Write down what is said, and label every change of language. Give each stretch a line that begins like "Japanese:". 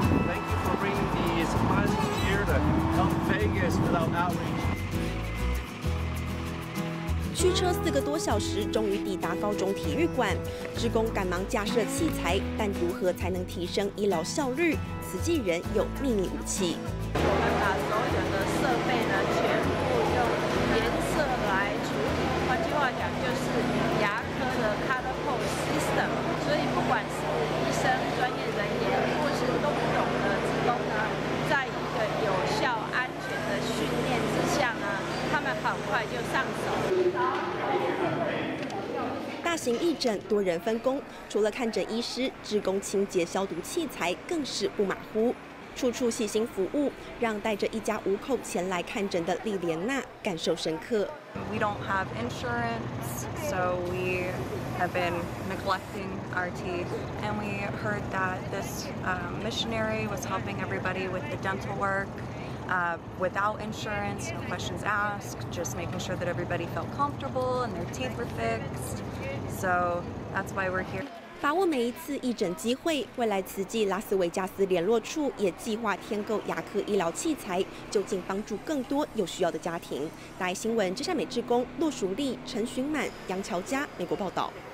English: Thank you for bringing these fun here to help Vegas without outreach.
Chinese: 驱车4个多小时，终于抵达高中体育馆。志工赶忙架设器材，但如何才能提升医疗效率？慈济人有秘密武器。我们把所有的设备呢，全部用颜色来处理。换句话讲，就是牙科的
English: color code system。
Chinese: 所以不管是医生、专业人员，或是动不动的志工呢，在一个有效、安全的训练之下呢，他们很快就上手。大型义诊多人分工，除了看诊医师，志工清洁消毒器材更是不马虎，处处细心服务，让带着一家五口前来看诊的莉莲娜感受深刻。
English: We don't have insurance, so we have been neglecting our teeth, and we heard that this missionary was helping everybody with the dental work. Without insurance, no questions asked, just making sure that everybody felt comfortable and their teeth were fixed. So that's why we're here.
Chinese: 把握每一次义诊机会，未来慈济拉斯维加斯联络处也计划添购牙科医疗器材，就近帮助更多有需要的家庭。大爱新闻，真善美志工骆淑丽、陈寻满、杨乔佳，美国报道。